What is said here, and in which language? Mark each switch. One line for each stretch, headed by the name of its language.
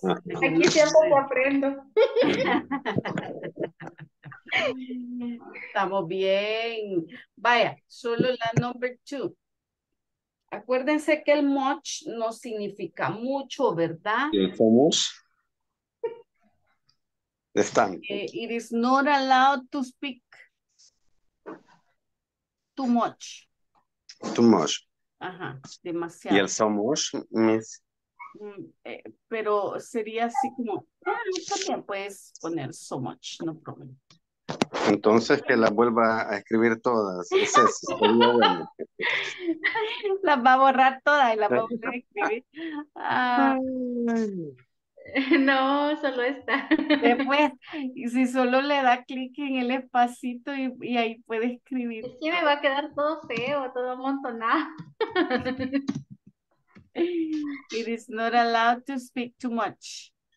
Spanish: Aquí siempre te aprendo. Estamos bien. Vaya, solo la number two. Acuérdense que el much no significa mucho, ¿verdad? El famous. Están.
English: It is not allowed to speak too much. Too much.
Spanish: Ajá, demasiado. Y el so much, miss. Pero sería así como, también puedes poner so much,
English: no problem.
Spanish: Entonces que las vuelva a escribir todas. Es eso, sería bueno. Las va a borrar todas y las va a volver a escribir. No, solo está. Después, si solo le da clic en el espacito y ahí puede escribir. Es que me va a quedar todo feo, todo amontonado.
English: It is not allowed to speak too much.